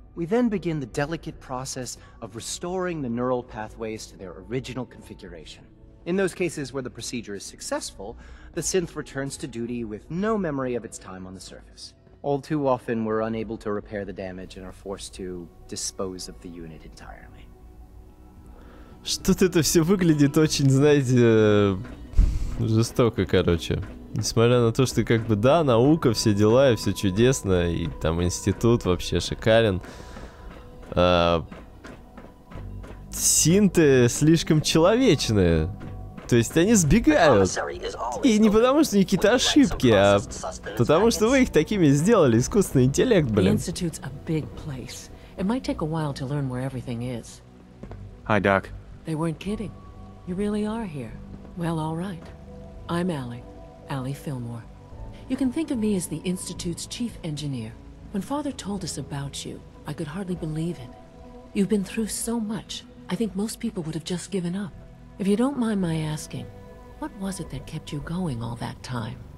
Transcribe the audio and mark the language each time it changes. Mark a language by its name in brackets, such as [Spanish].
[English] We then begin the delicate process of restoring the neural pathways to their original configuration. In those cases where the procedure is successful, the synth returns to duty with no memory of its time on the surface. All too often, we're unable to repair the damage and are forced to dispose of the unit entirely. [Russian] Что-то это все выглядит очень, знаете, жестоко, короче. Несмотря на то, что как бы да, наука, все дела и все чудесно, и там институт вообще шикарен. Синты слишком человечные. То есть они сбегают. И не потому, что какие-то ошибки, а потому, что вы их такими сделали, искусственный интеллект, блин. Институт большой место. Это может занять время, чтобы узнать, где все. Привет, Док. Они не шутили. Ты действительно здесь. Ну, хорошо. Я Алли. Allie Fillmore. [English] You can think of me as the Institute's chief engineer. When Father told us about you, I could hardly believe it. You've been through so much, I think most people would have just given up. If you don't mind my asking, what was it that kept you going all that time?